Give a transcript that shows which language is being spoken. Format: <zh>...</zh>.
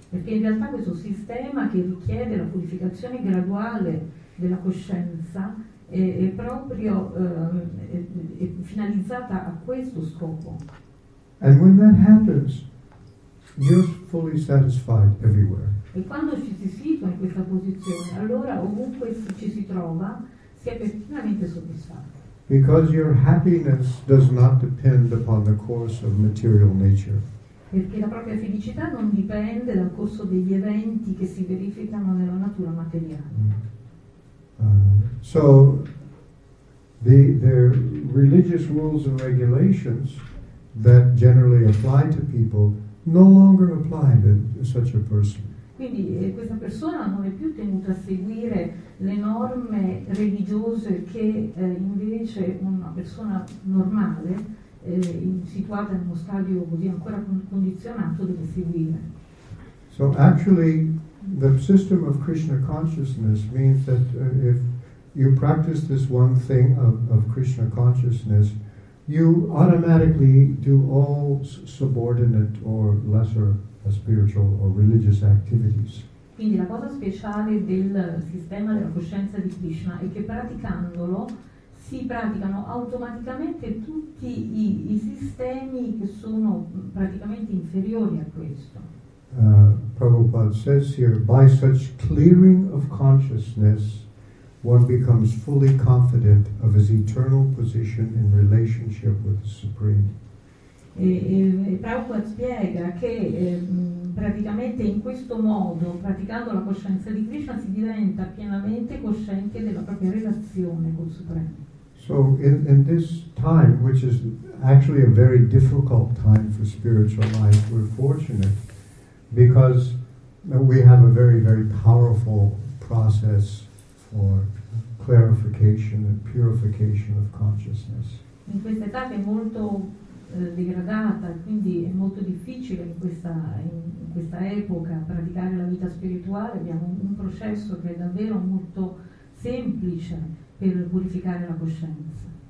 <it>Perché in realtà questo sistema che richiede la purificazione graduale della coscienza è proprio è finalizzata a questo scopo.</it> <en>And when that happens, you're fully satisfied everywhere.</en> <it>E quando ci si situa in questa posizione, allora ovunque ci si trova, si è perfettamente soddisfatto.</it> <en>Because your happiness does not depend upon the course of material nature.</en> <it>Perché la propria felicità non dipende dal corso degli eventi che si verificano nella natura materiale.</it> <en>So the religious rules and regulations that generally apply to people no longer apply to such a person.</en> <it>Quindi questa persona non è più tenuta a seguire le norme religiose che invece una persona normale, situata in uno stadio così ancora condizionato, deve seguire.</it> <en>So actually the system of Krishna consciousness means that if you practice this one thing of Krishna consciousness, you automatically do all subordinate or lesser spiritual or religious activities.</en> <it>Quindi la cosa speciale del sistema della coscienza di Krishna è che praticandolo si praticano automaticamente tutti i sistemi che sono praticamente inferiori a questo.</it> <en>Prabhupada says here, by such clearing of consciousness, one becomes fully confident of his eternal position in relationship with the Supreme.</en> <it>E Prabhupada spiega che praticamente in questo modo, praticando la coscienza di Krishna, si diventa pienamente cosciente della propria relazione col Supremo.</it> <en>So in this time, which is actually a very difficult time for spiritual life, we're fortunate because we have a very, very powerful process for clarification and purification of consciousness.</en> <it>In questa età è molto degradata, quindi è molto difficile in questa epoca praticare la vita spirituale. Abbiamo un processo che è davvero molto semplice per purificare la coscienza.</it>